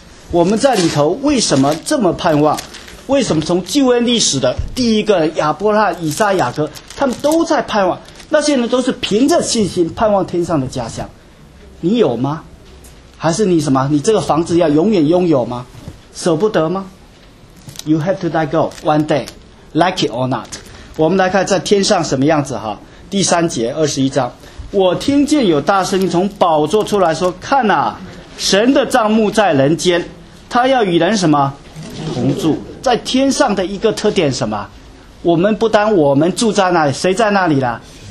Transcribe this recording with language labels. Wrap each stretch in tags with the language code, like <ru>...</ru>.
<zh>我们在里头为什么这么盼望？为什么从旧恩历史的第一个亚伯拉罕、以撒、雅各，他们都在盼望？那些人都是凭着信心盼望天上的家乡。你有吗？还是你什么？你这个房子要永远拥有吗？舍不得吗？</zh> <en>You have to let go one day, like it or not。</en> <zh>我们来看在天上什么样子哈，第三节二十一章，我听见有大声音从宝座出来说，看啊，神的帐幕在人间，他要与人什么同住。在天上的一个特点什么？我们不单我们住在那里，谁在那里了？</zh>